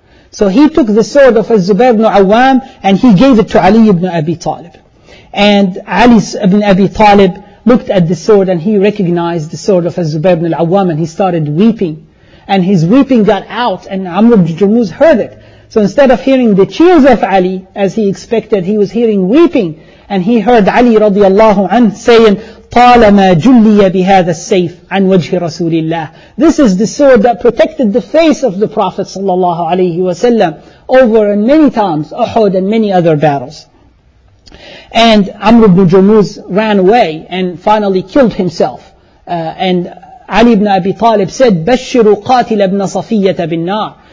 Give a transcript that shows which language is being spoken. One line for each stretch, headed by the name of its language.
English: So he took the sword of Az-Zubair ibn Awam and he gave it to Ali ibn Abi Talib. And Ali ibn Abi Talib looked at the sword and he recognized the sword of Az-Zubair ibn Awam and he started weeping. And his weeping got out and Amr ibn Jurmuz heard it. So instead of hearing the cheers of Ali as he expected, he was hearing weeping. And he heard Ali radiallahu anh saying,
Arabic: طَالَمَا جُلِّيَ بِهَذَا السَّيْفِ عَنْ وَجْهِ رَسُولِ اللَّهِ.
English: This is the sword that protected the face of the Prophet sallallahu alayhi wa sallam over and many times, Uhud and many other battles. And Amr ibn Jurmuz ran away and finally killed himself. And Ali ibn Abi Talib said,
Arabic: بَشِّرُ قَاتِلَ ابْنَ صَفِيَّةَ بِالنَّارِ.